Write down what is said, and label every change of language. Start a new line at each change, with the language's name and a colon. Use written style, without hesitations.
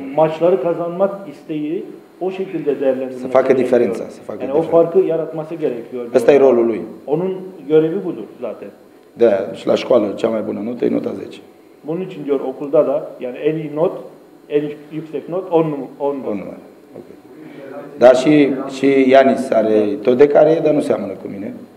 Turkish: Maçları kazanmak isteği o şekilde değerlendirmek.
Romanian: Să facă diferența.
Turkish: Yani o farkı yaratması gerekiyor.
Romanian: Asta e rolul lui.
Turkish: Onun görevi budur zaten.
Romanian: Da, și la școală cea mai bună notă e nota 10.
Turkish: Bunun için diyor okulda da, yani en iyi not, en yüksek not 10 numara. 10 numara.
Romanian: Okay. Dar și Yeniz are tot de care e, dar nu seamănă cu mine.